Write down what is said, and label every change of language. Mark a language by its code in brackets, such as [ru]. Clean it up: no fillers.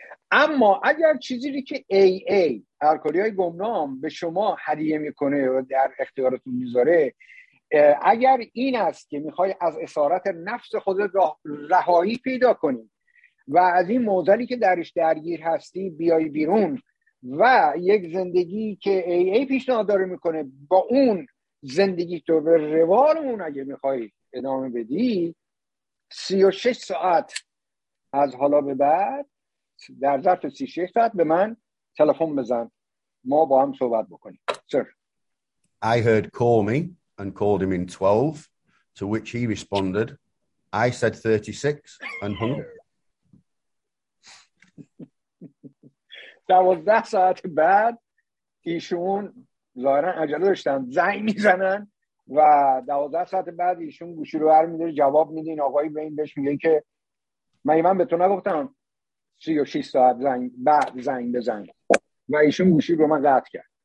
[fa] اما اگر چیزی که AA ترکاری های گمنام به شما هدیه میکنه و در اختیارتون میذاره، اگر این است که میخوای از اسارت نفس خودت رهایی پیدا کنی و از این موزلی که درش درگیر هستی بیای بیرون و یک زندگی که ای پیشنهاد داره میکنه با اون زندگی تو به روال اون اگه میخوای ادامه بدی، 36 ساعت از حالا به بعد در ظرف 36 ساعت به من تلفن بزن، ما با هم صحبت بکنیم. [en] سر I heard call me and called him in 12, to which he responded, I said 36 and hung. [fa] 12 ساعت بعد ایشون ظاهرا عجله داشتن، زنگ میزنن و 12 ساعت بعد ایشون گوشی رو برمی‌داره جواب میده، این آقای به این بهش میگه که من به تو نگفتم 36 ساعت زنگ بعد زنگ بزن، و ایشون گوشی رو من قطع کرد.